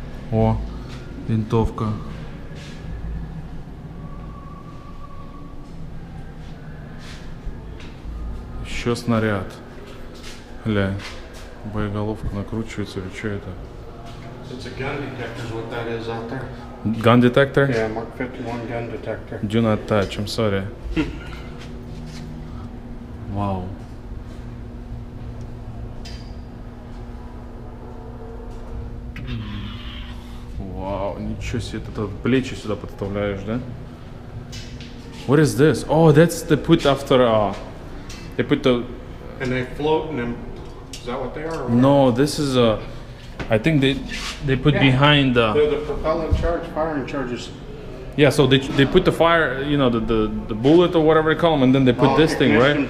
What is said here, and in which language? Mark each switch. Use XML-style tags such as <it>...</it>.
<ru>О, винтовка. Еще снаряд. Бля, боеголовка накручивается, или что это?</ru> <en>It's a gun detector, is what that is out there. Gun detector? Yeah, Mark 51 gun detector. Do not touch, I'm sorry. Wow.</en> <ru>Wow, ничего себе, ты тут плечи сюда подставляешь, да?</ru> <en>What is this? Oh, that's the put after, they put the... And they float in them, is that what they are? No, this is a... I think they put behind the... They're the propellant charge, firing charges. Yeah, so they put the fire, you know, the bullet or whatever they call them, and then they put this thing, right?</en>